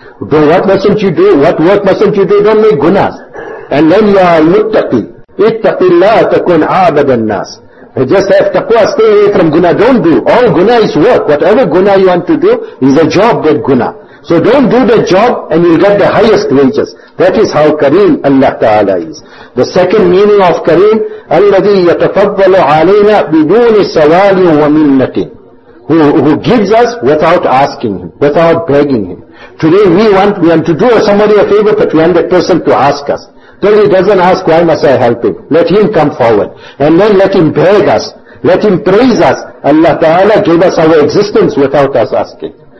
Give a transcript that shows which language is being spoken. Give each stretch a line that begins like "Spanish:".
English: Do what mustn't you do? What work mustn't you do? Don't make gunas. And then you are muttaqi.
Arabic: اِتَّقِ اللَّهَ تَكُنْ عَابَدَ النَّاسِ.
English: I just have taqwa, stay away from guna, don't do. All guna is work. Whatever guna you want to do, is a job that guna. So don't do the job and you'll get the highest wages. That is how kareem Allah Ta'ala is. The second meaning of kareem,
Arabic: الَّذِي يَتَفَضَّلُ عَلَيْنَا بِدُونِ سَوَالٍ وَمِنَّةٍ.
English: Who gives us without asking him, without begging him. Today we want to do somebody a favor, but we want that person to ask us. Then he doesn't ask, why must I help him? Let him come forward. And then let him beg us. Let him praise us. Allah Ta'ala gave us our existence without us asking.